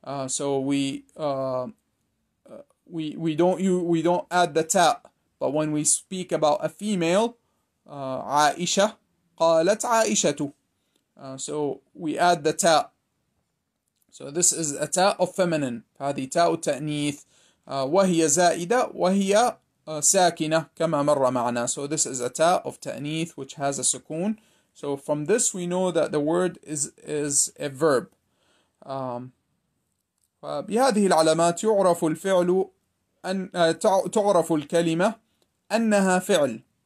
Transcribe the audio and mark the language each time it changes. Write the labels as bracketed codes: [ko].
[en] So we don't add the ta, but when we speak about a female, عَائِشَة [ar] قَالَتْ عَائِشَةُ. [en] So we add the ta. So this is a ta of feminine. [ar] هذه ta التأنيث. وهي زائدة وهي ساكنة كما مر معنا. [en] So this is a ta of تأنيث which has a sukun. So from this we know that the word is a verb. [ar] فبهذه العلامات يعرف الفعل أن تعرف الكلمة أنها فعل.